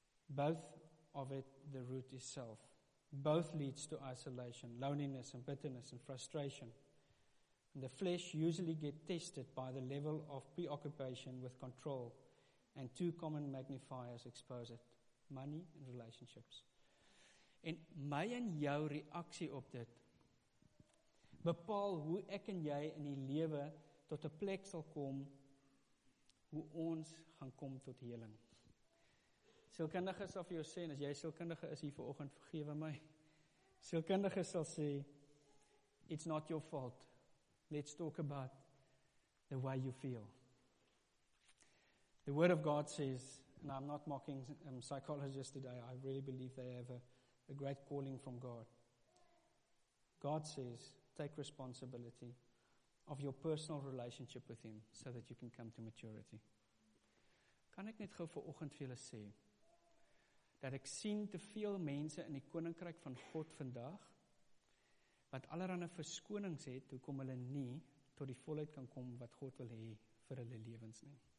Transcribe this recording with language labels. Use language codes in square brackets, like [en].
[en] Both of it, the root is self. Both leads to isolation, loneliness and bitterness and frustration. And the flesh usually get tested by the level of preoccupation with control. And two common magnifiers expose it, money and relationships. [af] En my en jou reaksie op dit bepaal hoe ek en jy in die lewe tot 'n plek sal kom, hoe ons gaan kom tot heling. Sielkundige sal vir jou sê, en as jy sielkundige is hier vanoggend, vergewe my. Sielkundige sal sê, [en] it's not your fault. Let's talk about the way you feel. The word of God says, and I'm not mocking psychologists today, I really believe they have a great calling from God. God says, take responsibility of your personal relationship with Him so that you can come to maturity. [af] Kan ek net gou vanoggend vir julle sê, dat ek sien te veel mense in die koninkryk van God vandag, wat allerhande verskonings het, hoekom hulle nie tot die volheid kan kom wat God wil hê vir hulle lewens nie.